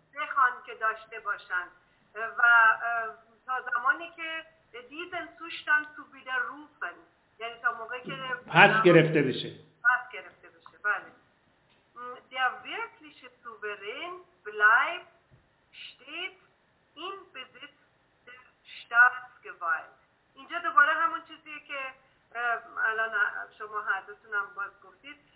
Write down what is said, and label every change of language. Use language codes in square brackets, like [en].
[fa] بخوان که داشته باشن و تا زمانی که دیزن سوشتن تو بیدر روفن، یعنی تا موقعی که پس گرفته بشه. بله. [de] Der wirkliche Souverän bleibt stets in Besitz der Staatsgewalt. [fa] اینجا دوباره همون چیزیه که الان شما حضرتون هم باز گفتید.